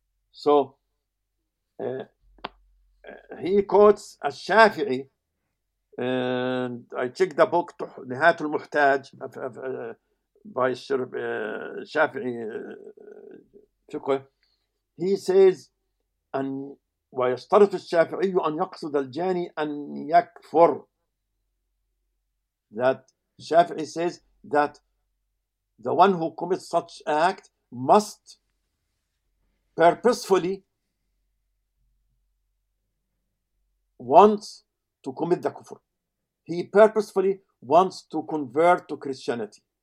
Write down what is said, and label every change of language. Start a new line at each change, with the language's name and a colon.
English: So he quotes al-Shafi'i, and I checked the book Nihayat al-Muhtaj by Shafi'i Fiqh. He says,
Arabic: ويشترط الشافعي أن يقصد الجاني أن يكفر.
English: That Shafi'i says that the one who commits such act must purposefully wants to commit the kufr. He purposefully wants to convert to Christianity.